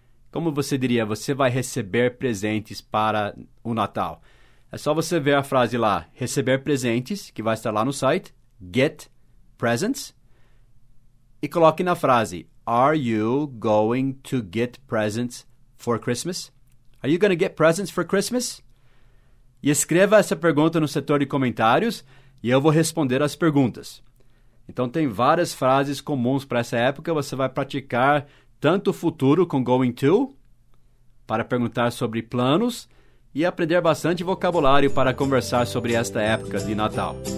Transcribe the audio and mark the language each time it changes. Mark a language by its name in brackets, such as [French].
[Portuguese] Como você diria, você vai receber presentes para o Natal? É só você ver a frase lá, receber presentes, que vai estar lá no site, get presents, e coloque na frase, [English] are you going to get presents for Christmas? Are you going to get presents for Christmas? [Portuguese] E escreva essa pergunta no setor de comentários e eu vou responder as perguntas. Então, tem várias frases comuns para essa época. Você vai praticar tanto o futuro com going to, para perguntar sobre planos, e aprender bastante vocabulário para conversar sobre esta época de Natal.